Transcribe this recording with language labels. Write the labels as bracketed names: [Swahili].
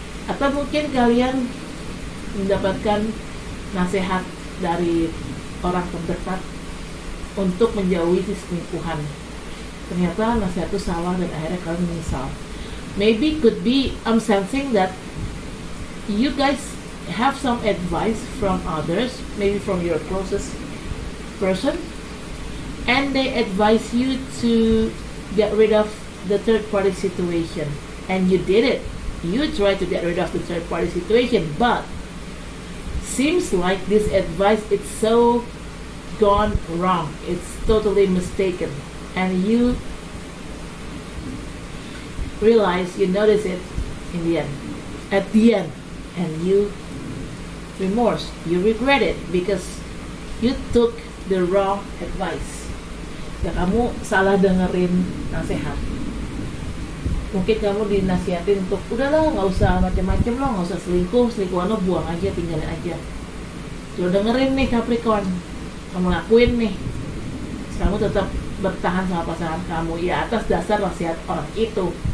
[Indonesian] Atau mungkin kalian mendapatkan nasihat dari orang terdekat untuk menjauhi si selingkuhan. Ternyata nasihat itu salah dan akhirnya kalian menyesal. [English] Maybe could be I'm sensing that you guys have some advice from others, maybe from your closest person, and they advise you to get rid of the third party situation, and you did it. You try to get rid of the third party situation, but seems like this advice is so gone wrong. It's totally mistaken, and you realize, you notice it in the end, at the end, and you remorse, you regret it because you took the wrong advice. [Indonesian] Ya, kamu salah dengerin nasihat. Mungkin kamu dinasihatin untuk udahlah nggak usah macam-macam lo, nggak usah selingkuhan lo, buang aja, tinggalin aja. Lo dengerin nih Capricorn, kamu lakuin nih, kamu tetap bertahan sama pasangan kamu ya atas dasar nasihat orang itu.